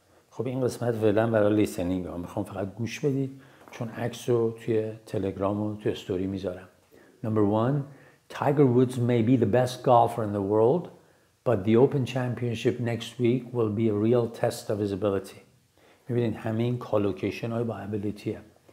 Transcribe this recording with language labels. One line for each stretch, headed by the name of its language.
Persian: خب این قسمت فعلا برای listening ها، میخوام فقط گوش بدید چون عکس رو توی تلگرام و توی استوری میذارم.
English: Number 1: Tiger Woods may be the best golfer in the world, but the Open Championship next week will be a real test of his ability.
Persian: میبینید همین کالوکیشن های با ability هست.